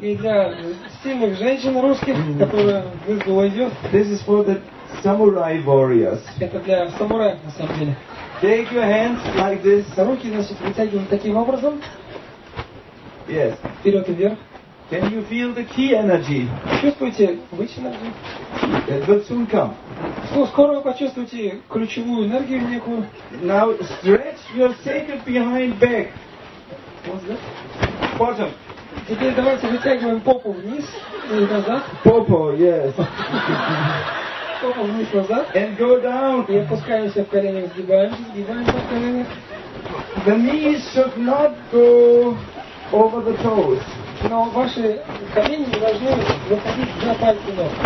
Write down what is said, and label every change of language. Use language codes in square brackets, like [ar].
[ru] И для сильных женщин русских, которые выздоровеют. [en] This is for the samurai warriors. [ru] Это для самураев на самом деле. [en] Take your hands like this. [ru] Руки, значит, вытягиваем таким образом. [en] Yes. [ru] Вперед и вверх. [en] Can you feel the key energy? [ru] Чувствуете высшую энергию? [en] It will soon come. [ru] Ну, скоро вы почувствуете ключевую энергию некую. [en] Now stretch your sacred behind back. Bottom. [ru] Теперь давайте вытягиваем попу вниз и назад. Попу, [en] yes. [ru] Попу вниз назад. [en] And go down. [ru] И опускаемся в колени, сгибаемся, сгибаемся в колени. [en] The knees should not go over the toes. [ru] Но ваши колени не должны выходить за пальцы ног.